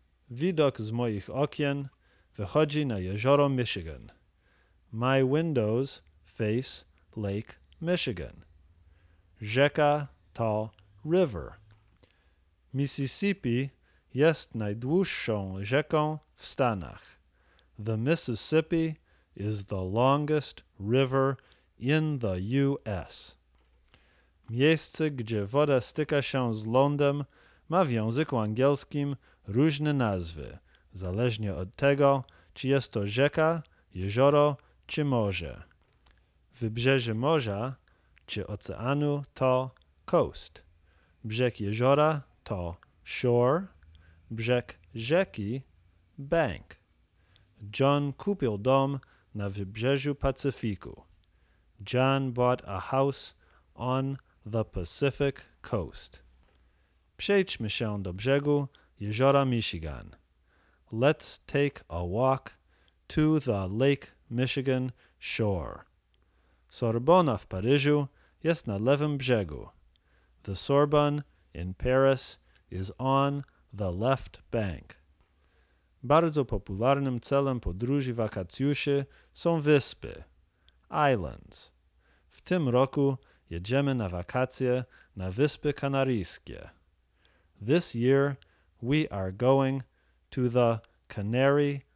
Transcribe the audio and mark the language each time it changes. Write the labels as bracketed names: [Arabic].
[Polish] Widok z moich okien wychodzi na jezioro Michigan. [English] My windows face Lake Michigan. [Polish] Rzeka to river. Mississippi jest najdłuższą rzeką w Stanach. [English] The Mississippi is the longest river in the U.S. [Polish] Miejsce, gdzie woda styka się z lądem, ma w języku angielskim różne nazwy, zależnie od tego, czy jest to rzeka, jezioro czy morze. Wybrzeże morza czy oceanu to coast. Brzeg jeziora to shore, brzeg rzeki bank. John kupił dom na wybrzeżu Pacyfiku. [English] John bought a house on the Pacific coast. [Polish] Przejdźmy się do brzegu jeziora Michigan. [English] Let's take a walk to the Lake Michigan shore. [Polish] Sorbona w Paryżu jest na lewym brzegu. [English] The Sorbonne in Paris is on the left bank. [Polish] Bardzo popularnym celem podróży wakacjuszy są wyspy, islands. W tym roku jedziemy na wakacje na Wyspy Kanaryjskie. [English] This year we are going to the Canary